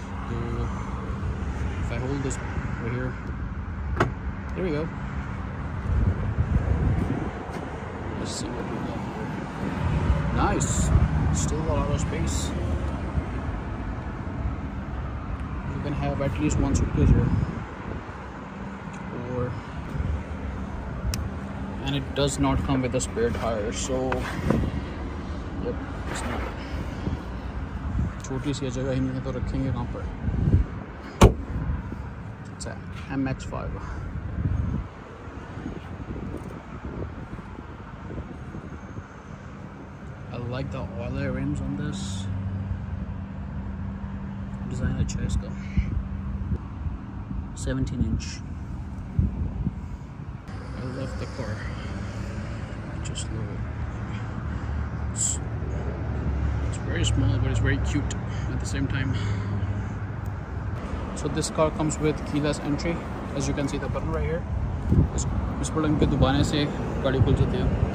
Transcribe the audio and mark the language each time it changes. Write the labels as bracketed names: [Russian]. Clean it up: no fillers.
[English] तो if I hold this right here, there we go. Let's see what we got here. Nice, still a lot of space. You can have at least one suitcase here. And it does not come with a spare tire, so yep, it's not. [Hindi] छोटी सी जगह ही नहीं है तो रखेंगे कहाँ पर. [English] It's a MX-5. I like the oily rims on this. Design a choice go. 17-inch. I love the car. Just little. It's very small, but it's very cute at the same time. So this car comes with keyless entry, as you can see the button right here. [Hindi] इस button के दबाने से गाड़ी खुल जाती है.